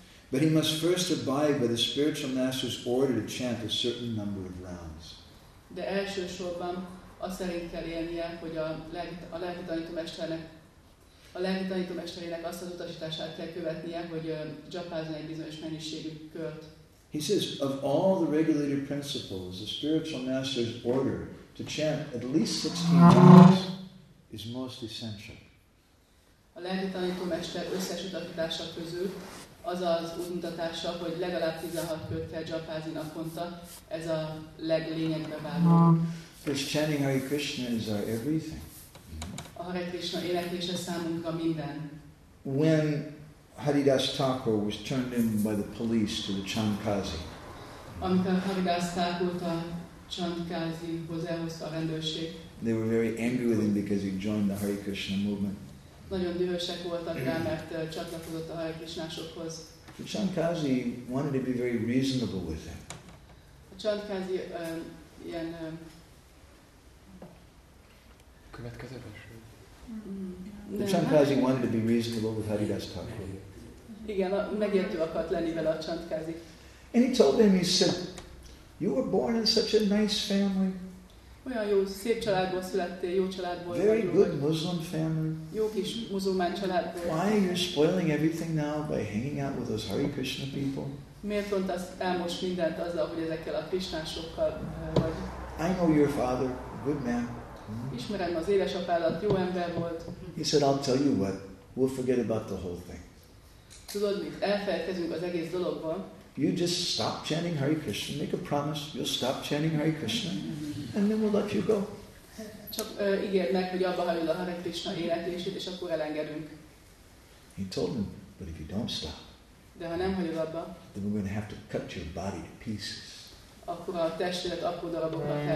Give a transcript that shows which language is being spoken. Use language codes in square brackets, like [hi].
[en] But he must first abide by the spiritual master's order to chant a certain number of rounds. [hu] De elsősorban azt szerint kell élnie, hogy a lelki tanítómesterének azt az utasítását kell követnie, hogy japázzon egy bizonyos mennyiségű kört. [en] He says, of all the regulated principles, the spiritual master's order to chant at least 16 rounds is most essential. [hu] A lelki tanítómester összes utasítása közül az az útmutatása, hogy legalább 16 kört kell japázni naponta, ez a leglényegre váló. [en] First chanting Hare Krishna is our everything. [hu] A Hare Krishna éneklése számunkra minden. [en] When Haridas Thakur was turned in by the police to the Chandkazi. [hu] Amikor Haridas Thakurt a Chandkazihoz elhozta a rendőrség. [en] They were very angry with him because he joined the Hare Krishna movement. [hu] Nagyon dühösek voltak rá, mert csatlakozott a Hare Krishnásokhoz. [en] The Chandkazi wanted to be very reasonable with him. [hu] A Chandkazi ilyen következő beszél. [en] The Chandkazi wanted to be reasonable with Haridas Thakur. [hu] Igen, megértő akart lenni vele a Chandkazi. [en] And he told him, he said, "You were born in such a nice family." [hu] Olyan jó, szép családból születtél, jó családból. [en] Very good Muslim family. [hu] Jó kis muzulmán családból. [en] Why are you spoiling everything now by hanging out with those Hare Krishna people? [hu] Miért mondtad el most mindent azzal, hogy ezekkel a Krishnásokkal vagy? [en] I know your father, good man. [hu] Ismerem az édesapádat, jó ember volt. [en] He said, I'll tell you what, we'll forget about the whole thing. [hu] Tudod mit, elfelejtkezünk az egész dologban. [en] You just stop chanting Hare Krishna, make a promise, you'll stop chanting Hare Krishna, and then we'll let you go. [hu] Csak ígérd meg, hogy abba hagyod a Hare Krishna éneklését, és akkor elengedünk. [en] He told him, but if you don't stop, [hu] de ha nem hagyod abba, [en] then we're going to have to cut your body to pieces. [hu] Akkor a testedet apró darabokra kell